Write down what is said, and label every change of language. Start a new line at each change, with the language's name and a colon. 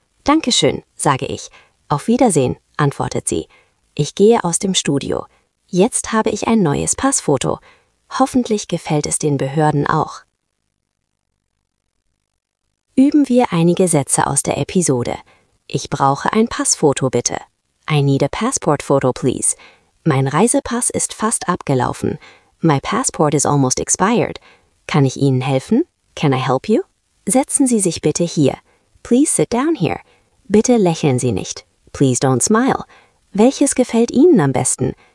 German: Dankeschön, sage ich. Auf Wiedersehen, antwortet sie. Ich gehe aus dem Studio. Jetzt habe ich ein neues Passfoto. Hoffentlich gefällt es den Behörden auch. Üben wir einige Sätze aus der Episode. Ich brauche ein Passfoto, bitte.
English: I need a passport photo, please.
German: Mein Reisepass ist fast abgelaufen.
English: My passport is almost expired.
German: Kann ich Ihnen helfen?
English: Can I help you?
German: Setzen Sie sich bitte hier.
English: Please sit down here.
German: Bitte lächeln Sie nicht.
English: Please don't smile.
German: Welches gefällt Ihnen am besten?